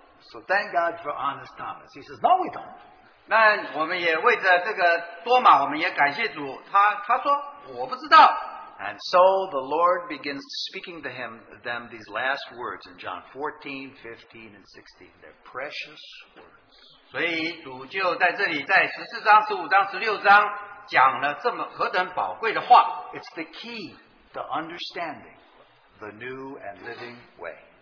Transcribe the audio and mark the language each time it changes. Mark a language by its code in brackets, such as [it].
[en] So thank God for honest Thomas. He says, no, we don't. [zh] 那我们也为着这个多马我们也感谢主, 他说我不知道。 [en] And so the Lord begins speaking to him them these last words in John 14, 15, and 16. They're precious words. [zh] 所以主就在这里在14章、15章、16章讲了这么何等宝贵的话。 [en] It's the key to understanding the new and living way.